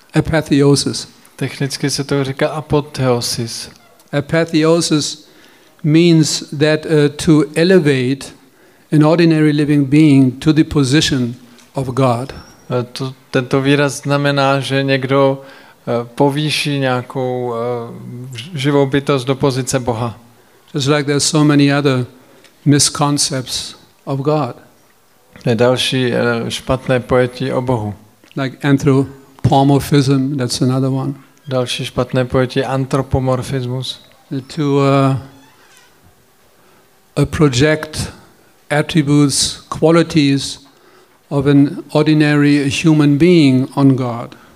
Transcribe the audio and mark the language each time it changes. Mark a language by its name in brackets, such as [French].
[Czech] Technicky se to říká apotheosis. [English] Apotheosis means that to elevate an ordinary living being to the position of God. [Czech] Tento výraz znamená, že někdo povýší nějakou živou bytost do pozice Boha. [English] Just like there are so many other misconceptions of God. [Czech] Je další špatné pojetí o Bohu. [English] Like anthropomorphism, that's another one. [Czech] Další špatné pojetí antropomorfismus. [English] To project attributes, qualities of an ordinary human being on God.